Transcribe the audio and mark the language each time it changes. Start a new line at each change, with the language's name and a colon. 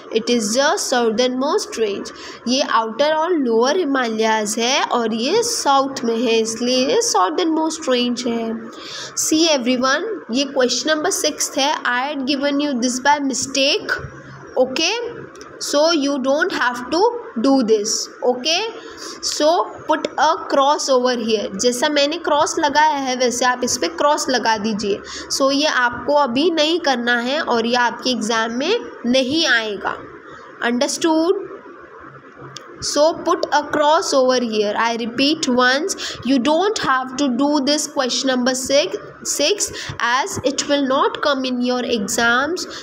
English: It is the southernmost range.
Hindi: ये Outer और Lower Himalayas है और ये South में है, इसलिए ये southernmost range है.
English: See everyone,
Hindi: ये question number 6th है.
English: I had given you this by mistake. okay? So you don't have to do this, okay? So put a cross over here.
Hindi: जैसा मैंने cross लगाया है वैसे आप इस पर cross लगा दीजिए. So ये आपको अभी नहीं करना है और ये आपके exam में नहीं आएगा.
English: Understood? So put a cross over here. I repeat once, you don't have to do this question number 6 as it will not come in your exams.